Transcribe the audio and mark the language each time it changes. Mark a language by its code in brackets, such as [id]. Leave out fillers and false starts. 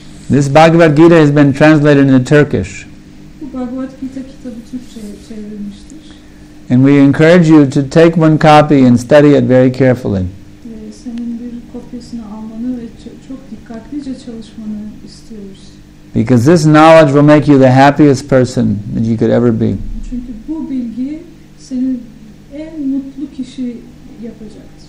[en] This Bhagavad Gita has been translated into Turkish. [tr] Bu Bhagavad Gita kitabı Türkçe'ye çevrilmiştir. [en] And we encourage you to take one copy and study it very carefully. [tr] Senin bir kopyasını almanı ve çok dikkatlice çalışmanı istiyoruz. [en] Because this knowledge will make you the happiest person that you could ever be. [tr] Çünkü bu bilgi seni en mutlu kişi yapacaktır.